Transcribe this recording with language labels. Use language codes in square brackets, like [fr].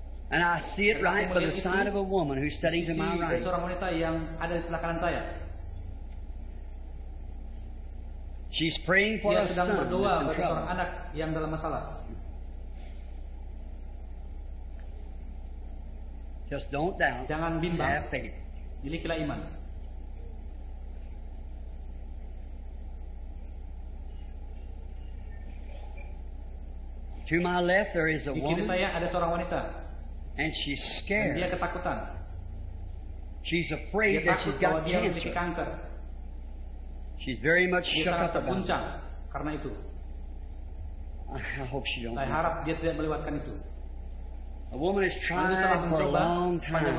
[en] And I see it right by the side of a woman who's sitting to my right. [id] Sisi seorang wanita yang ada di sebelah kanan saya. [en] She's praying for a son. [id] Dia sedang berdoa bagi seorang anak yang dalam masalah. [en] Just don't doubt. [id] Jangan bimbang. [en] Have faith. [id] Milikilah iman. [en] To my left there is a [id] di [en] woman. [id] Di kiri saya ada seorang wanita. [en] And she's scared. [id] Dan dia ketakutan. [en] She's afraid [id] dia [en] that she's got [id] dia [en] cancer. [id] Kanker. [en] She's very much [id] dia [en] shook up about it. [id] Karena itu. [en] I hope she don't. [id] Saya harap dia tidak melewatkan itu. [en] A woman has tried for a long time